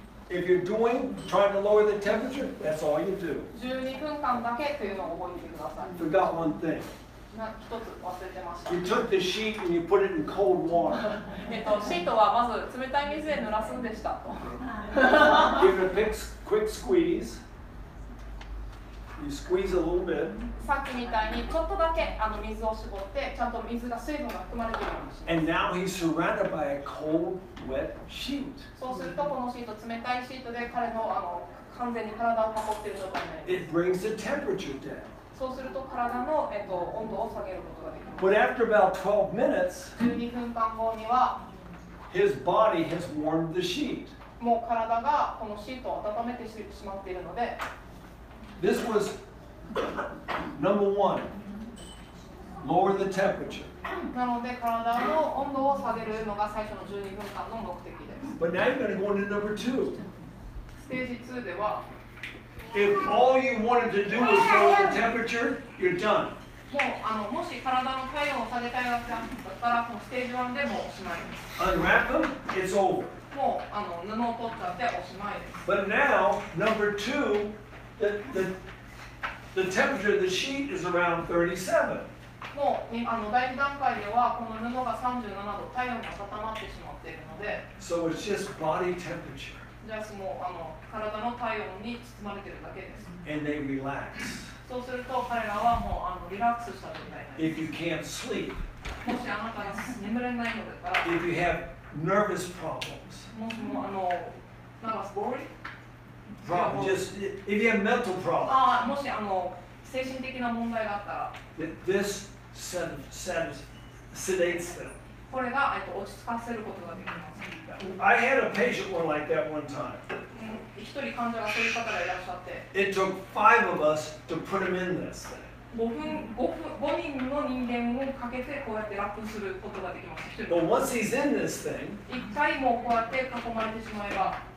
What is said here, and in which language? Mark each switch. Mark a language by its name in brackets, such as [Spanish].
[English] If you're doing, trying to lower the temperature, that's all you do. [Japanese] 12分間だけというのを覚えてください。 [English] Forgot one thing. [Japanese] 一つ忘れてました。 [English] You took the sheet and you put it in cold water. [Japanese] シートはまず冷たい水で濡らすんでしたと。 [English] Give it a quick squeeze. You squeeze a little bit. [Japanese] さっきみたいにちょっとだけ水を絞って、ちゃんと水が水分が含まれているようにします。 [English] And now he's surrounded by a cold. Wet sheet. [Japanese] そうするとこのシート、冷たいシートで彼の完全に体を囲っている状態になります。 [English] It brings the temperature down. [Japanese] そうすると体の温度を下げることができます。 [English] But after about 12 minutes, [Japanese] 12分間後には、 [English] his body has warmed the sheet. [Japanese] もう体がこのシートを温めてしまっているので、 [English] This was number one. Lower the temperature. [Japanese] なので体の温度を下げるのが最初の12分間の目的です。 [English] But now you're going to number two. [Japanese] ステージ2では、 [English] If all you wanted to do was lower the temperature, you're done. [Japanese] もう、もし体の体温を下げたいだけだったら、ステージ1でもおしまいです。 [English] Unwrap them, it's over. [Japanese] もう、布を取っちゃっておしまいです。 [English] But now, number two, the temperature of the sheet is around 37. [Japanese] もう第二段階ではこの布が37度、体温が温まってしまっているので、 [English] So it's just body temperature. [Japanese] じゃあもう体の体温に包まれているだけです。 [English] And they relax. [Japanese] そうすると彼らはもうリラックスした状態になります。 [English] If you can't sleep, [Japanese] もしあなたが眠れないのだったら、 [English] If you have nervous problems, [Japanese] もしもなんか worry, [English] problem, just if you have mental problems. [Japanese] ああもし精神的な問題があったら、 [English] This sedates them. [Japanese] これが落ち着かせることができます。 [English] I had a patient one like that one time. [Japanese] 一人患者がそういう方がいらっしゃって、 [English] It took five of us to put him in this thing. [Japanese] 5人の人間をかけてこうやってラップすることができます。 [English] But once he's in this thing, [Japanese] 一回もこうやって囲まれてしまえば、